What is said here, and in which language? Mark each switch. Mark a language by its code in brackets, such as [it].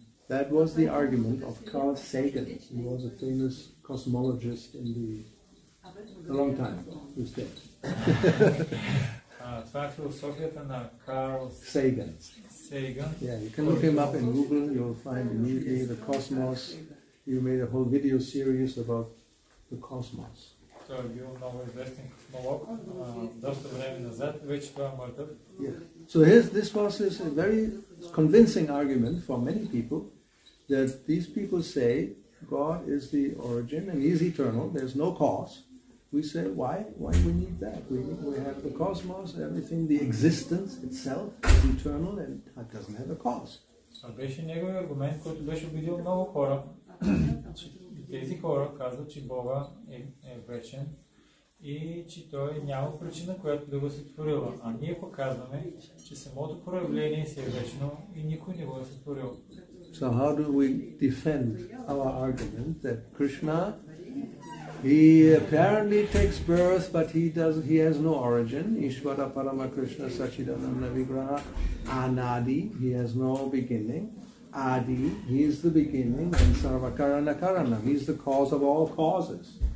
[en] That was the argument of Carl Sagan, who was a famous cosmologist in the a long time ago. He's dead. [bg] Това е философията на Карл Сейган. Сейган. [en] Yeah, you can look him up in Google, you'll find immediately the cosmos. You made a whole video series about the cosmos. [bg] Той е бил много известен космолог, доста време назад, вече това е мъртъв. [en] So here's, this was this a very convincing argument for many people that these people say God is the origin and he is eternal, there's no cause. We say, why do we need that? We have the cosmos, everything, the existence itself is eternal and it doesn't have a cause. [bg] Това беше негови аргумент, който беше убедил много хора. Тези хора казват, че Бога е вечен, и че той няма причина, която да го сътворила. А ние показваме, че самото проявление си е вечно и никой не го е сътворил. [en] So how do we defend our argument that Krishna, he apparently takes birth, but he has no origin. [sa] Ishvara Parama Krishna Sachidananda Vigraha Anadi, [en] he has no beginning. Adi, he is the beginning, and [sa] Sarvakarana Karana, [en] he is the cause of all causes.